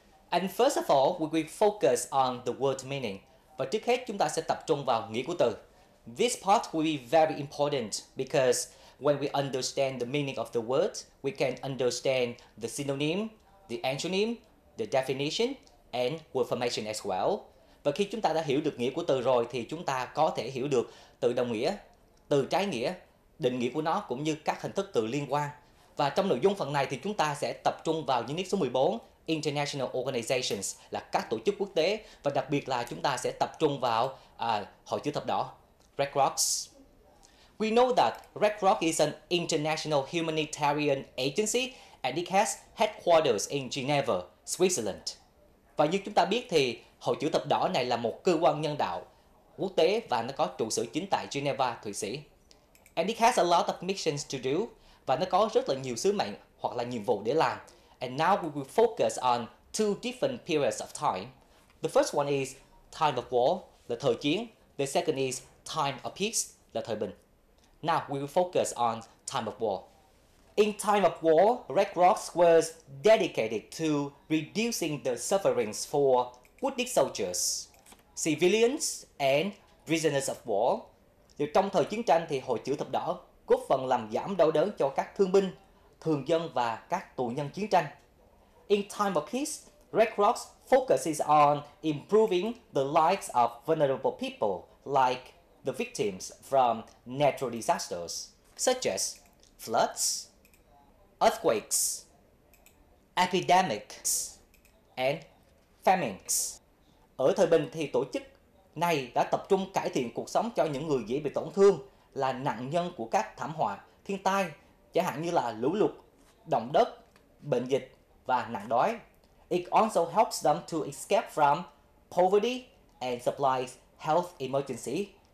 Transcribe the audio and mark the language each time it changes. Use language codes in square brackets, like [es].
[en] And first of all, we will focus on the word meaning. [vi] Và trước hết, chúng ta sẽ tập trung vào nghĩa của từ. [en] This part will be very important because when we understand the meaning of the word, we can understand the synonym, the antonym, the definition, and word formation as well. [vi] Và khi chúng ta đã hiểu được nghĩa của từ rồi, thì chúng ta có thể hiểu được từ đồng nghĩa, từ trái nghĩa, định nghĩa của nó, cũng như các hình thức từ liên quan. Và trong nội dung phần này thì chúng ta sẽ tập trung vào unit số 14, International Organizations, là các tổ chức quốc tế, và đặc biệt là chúng ta sẽ tập trung vào Hội Chữ Thập Đỏ, Red Cross. [en] We know that Red Cross is an international humanitarian agency and it has headquarters in Geneva, Switzerland. [vi] Và như chúng ta biết thì Hội Chữ Thập Đỏ này là một cơ quan nhân đạo quốc tế và nó có trụ sở chính tại Geneva, Thụy Sĩ. [en] And it has a lot of missions to do. [vi] Và nó có rất là nhiều sứ mệnh hoặc là nhiệm vụ để làm. [en] And now we will focus on two different periods of time. The first one is time of war, [vi] là thời chiến. [en] The second is time of peace, [vi] là thời bình. [en] Now we will focus on time of war. In time of war, Red Cross was dedicated to reducing the sufferings for wounded soldiers, civilians and prisoners of war. [vi] Thì trong thời chiến tranh thì Hội Chữ Thập Đỏ góp phần làm giảm đau đớn cho các thương binh, thường dân và các tù nhân chiến tranh. [en] In time of peace, Red Cross focuses on improving the lives of vulnerable people like the victims from natural disasters, such as floods, earthquakes, epidemics, and famines. [vi] Ở thời bình thì tổ chức này đã tập trung cải thiện cuộc sống cho những người dễ bị tổn thương, là nạn nhân của các thảm họa, thiên tai, chẳng hạn như là lũ lụt, động đất, bệnh dịch và nạn đói. [en] It also helps them to escape from poverty and supplies health emergency.